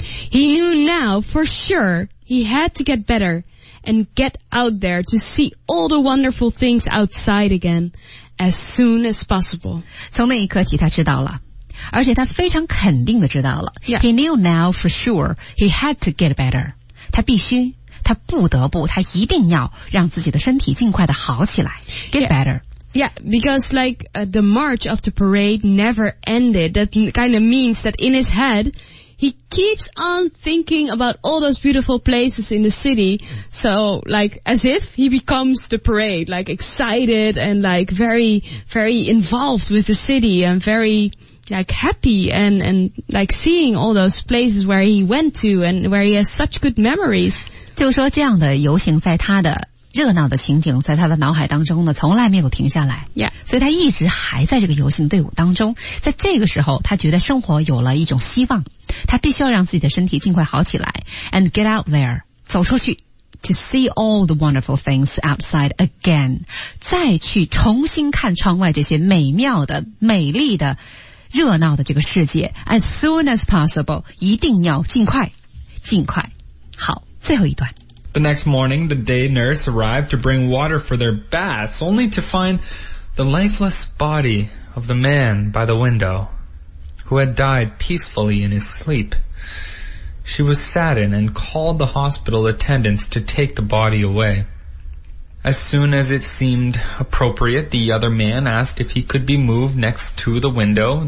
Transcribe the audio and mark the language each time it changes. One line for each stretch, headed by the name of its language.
English: He knew now for sure he had to get better and get out there to see all the wonderful things outside again as soon as possible.
Chinese: 从那一刻起，他知道了。而且他非常肯定的知道了、
English: yeah. He knew now for sure he had to get better
Chinese: 他必须他不得不他一定要让自己的身体尽快的好起来 get yeah.
English: better yeah because like、the march of the parade never ended that kind of means that in his head he keeps on thinking about all those beautiful places in the city so like as if he becomes the parade like excited and like very very involved with the city and veryLike happy and like seeing all those places where he went to and where he has such good memories.
Chinese: 就说这样的游行在他的热闹的情景在他的脑海当中呢从来没有停下来。
English: Yeah.
Chinese: 所以他一直还在这个游行队伍当中在这个时候他觉得生活有了一种希望他必须要让自己的身体尽快好起来
English: and get out there,
Chinese: 走出去
English: to see all the wonderful things outside again,
Chinese: 再去重新看窗外这些美妙的美丽的热闹的这个世界
English: as soon as possible
Chinese: 一定要尽快尽快好最后一段
English: The next morning the day nurse arrived to bring water for their baths only to find the lifeless body of the man by the window who had died peacefully in his sleep She was saddened and called the hospital attendants to take the body awayAs soon as it seemed appropriate, the other man asked if he could be moved next to the window.